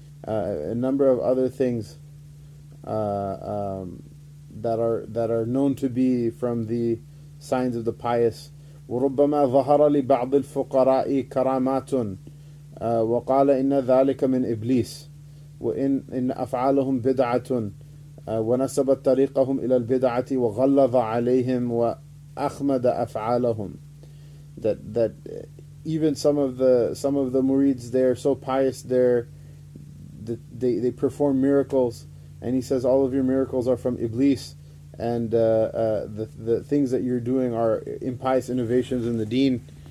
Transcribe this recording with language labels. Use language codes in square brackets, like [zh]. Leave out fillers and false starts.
[en] A number of other things that are known to be from the signs of the pious. [ar] وربما ظهر لبعض الفقراء كرامات وقال إن ذلك من إبليس وإن أفعالهم بدعة ونسب طريقهم إلى البدعة وغلظ عليهم وأخمد أفعالهم. [en] That even some of the murids, they're so pious, they perform miracles, and he says all of your miracles are from Iblis, and the things that you're doing are impious innovations in the deen.